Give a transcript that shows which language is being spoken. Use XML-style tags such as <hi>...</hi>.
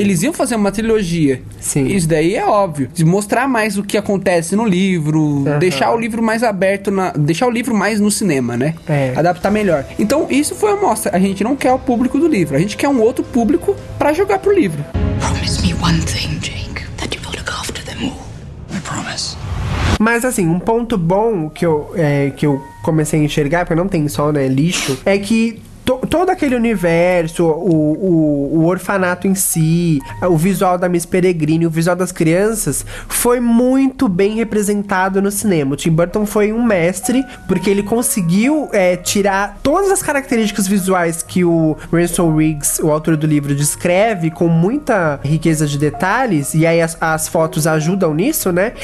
<pt>Eles iam fazer uma trilogia. Sim. Isso daí é óbvio. De mostrar mais o que acontece no livro, deixar o livro mais aberto, deixar o livro mais no cinema, né? É. Adaptar melhor. Então, isso foi a mostra. A gente não quer o público do livro, a gente quer um outro público pra jogar pro livro.</pt> <en>Promise me one thing, Jake, that you will look after them all. I promise.</en> <pt>Mas assim, um ponto bom que eu comecei a enxergar, porque não tem só, né, lixo, é que todo aquele universo, o orfanato em si, o visual da Miss Peregrine, o visual das crianças, foi muito bem representado no cinema. O Tim Burton foi um mestre, porque ele conseguiu tirar todas as características visuais que o Ransom Riggs, o autor do livro, descreve com muita riqueza de detalhes, e aí as fotos ajudam nisso, né?</pt>